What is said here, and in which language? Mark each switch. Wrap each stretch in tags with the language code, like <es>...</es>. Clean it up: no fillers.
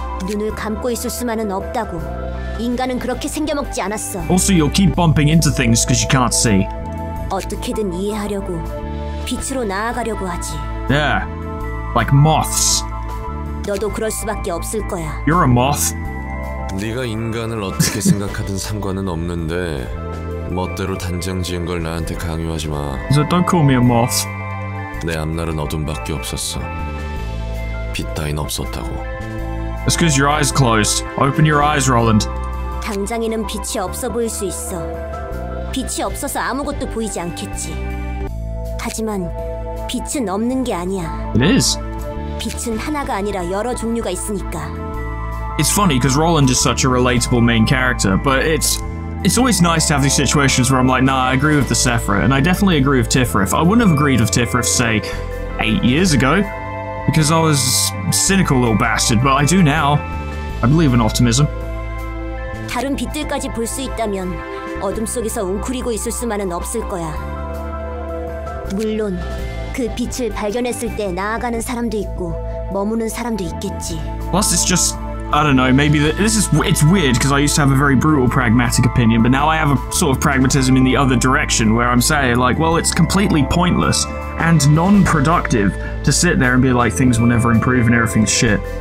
<ko>눈을 감고 있을 수만은 없다고. 인간은 그렇게 생겨먹지 않았어.</ko> <en>Also, you'll keep bumping into things because you can't see.</en> <ko>어떻게든 이해하려고, 빛으로 나아가려고 하지.</ko> <en>Yeah. Like moths.</en> <ko>너도 그럴 수밖에 없을 거야.</ko> <en>You're a moth.</en> <ko>네가 인간을 어떻게 생각하든 상관은 없는데 멋대로 단정 지은 걸 나한테 강요하지 마.</ko> <en>So don't call me a moth.</en> <ko>내 앞날은 어둠밖에 없었어. 빛 따윈 없었다고.</ko> <en>It's because your eyes closed. Open your eyes, Roland.</en> <ko>당장에는 빛이 없어 보일 수 있어. 빛이 없어서 아무것도 보이지 않겠지. 하지만 빛은 없는 게 아니야.</ko> <en>It is.</en> <ko>빛은 하나가 아니라 여러 종류가 있으니까.</ko> <en>It's funny because Roland is such a relatable main character, but it's always nice to have these situations where I'm like, nah, I agree with the Sephiroth, and I definitely agree with Tifereth. I wouldn't have agreed with Tifereth, say, 8 years ago, because I was a cynical little bastard, but I do now. I believe in optimism.</en> <ko>다른 빛들까지 볼 수 있다면 어둠 속에서 웅크리고 있을 수만은 없을 거야. 물론 그 빛을 발견했을 때 나아가는 사람도 있고 머무는 사람도 있겠지.</ko> <en>Plus, it's just, I don't know, maybe this is, it's weird because I used to have a very brutal pragmatic opinion, but now I have a sort of pragmatism in the other direction where I'm saying, like, well, it's completely pointless and non-productive to sit there and be like, things will never improve and everything's shit.</en>